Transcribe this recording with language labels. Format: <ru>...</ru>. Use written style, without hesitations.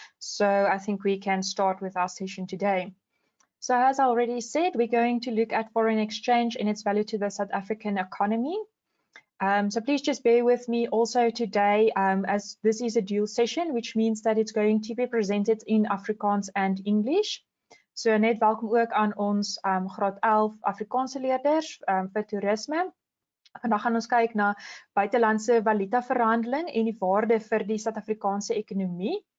<en>So I think we can start with our session today. So as I already said, we're going to look at foreign exchange and its value to the South African economy. So please just bear with me also today, as this is a dual session, which means that it's going to be presented in Afrikaans and English.</en> <af>So net welkom ook aan ons graad 11 Afrikaanse leerders vir toerisme. Vandag gaan ons kyk na buitelandse valuta verhandeling en die waarde vir die Suid-Afrikaanse ekonomie.</af>